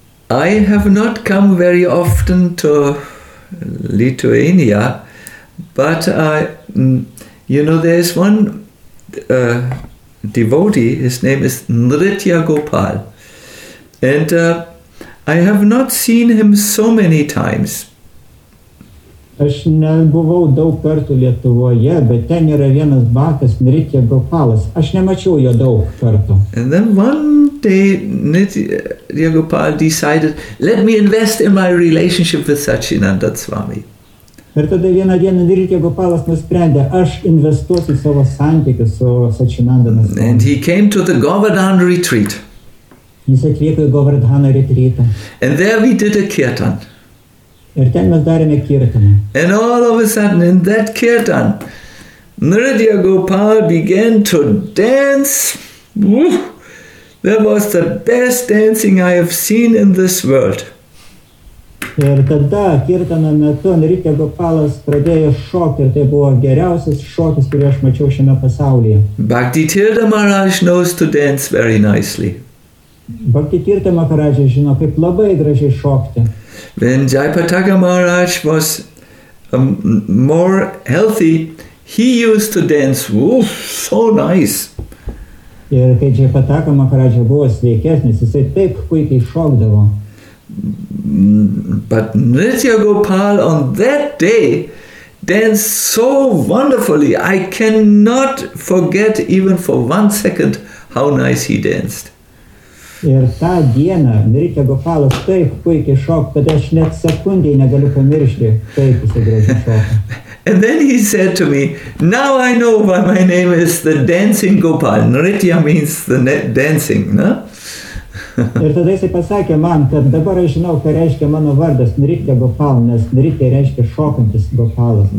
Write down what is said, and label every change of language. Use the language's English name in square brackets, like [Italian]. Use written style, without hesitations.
[English] I have not come very often to Lithuania, but there is one devotee, his name is Nritya Gopal. And I have not seen him so many times. [Lithuanian] Aš nebuvau daug kartų Lietuvoje, bet ten yra vienas bakas, Nritya Gopalas. Aš nemačiau jo daug kartų. [English] And then one day Nritya Gopal decided, let me invest in my relationship with Sachinanda Swami. [Lithuanian] Ir tada vieną dieną Nritya Gopalas nusprendė, aš investuosiu savo santykį su Sachinanda Swami. [English] And he came to the Govardhan retreat. [Lithuanian] Jis atvyko į Govardhana retreatą. [English] And there we did a kirtan. [Lithuanian] Ir ten mes darėme kirtaną. [English] And all of a sudden in that kirtan, Nritya Gopal began to dance. Woof! That was the best dancing I have seen in this world. [Lithuanian] Ir tada kirtano metu Nritya Gopalas pradėjo šokti ir tai buvo geriausias šokis, kurį aš mačiau šiame pasaulyje. [English] Bhakti Tirtha Maharaj knows to dance very nicely. [Lithuanian] Bhakti Tirtha Maharaj žino, kaip labai gražiai šokti. [English] When Jayapataka Maharaj was more healthy, he used to dance, woof, so nice. [Lithuanian] Ir kai Jayapataka Maharaj buvo sveikesnis, jisai taip puikiai šokdavo. [English] But Nritya Gopal on that day danced so wonderfully, I cannot forget even for one second how nice he danced. [Lithuanian] Ir tą dieną Nritya Gopalas taip puikiai šok, kad aš net sekundėj negaliu pamiršti, kaip jis gražiai šoka. [English] And then he said to me, now I know why my name is the dancing Gopal. Nritya means the dancing, no? [Lithuanian] Ir tada jis pasakė man, kad dabar aš žinau, ką reiškia mano vardas Nritya Gopal, nes Nritya reiškia šokantis Gopalas.